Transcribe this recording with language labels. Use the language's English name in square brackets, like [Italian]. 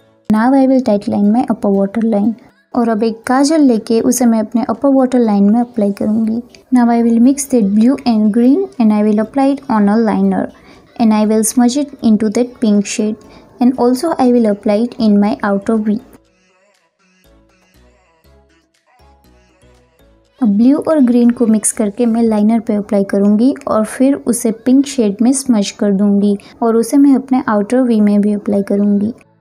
[English] Now I will tight line my upper waterline. [Hindi] और अब एक काजल लेके उसे मैं अपने अपर वाटर लाइन में अप्लाई करूंगी। [English] Now I will mix that blue and green and I will apply it on a liner. And I will smudge it into that pink shade and also I will apply it in my outer V. [Hindi] अब blue और green को mix करके मैं liner पे apply करूंगी और फिर उसे पिंक शेड में स्मज कर दूंगी और उसे मैं अपने आउटर वी में भी अप्लाई करूंगी।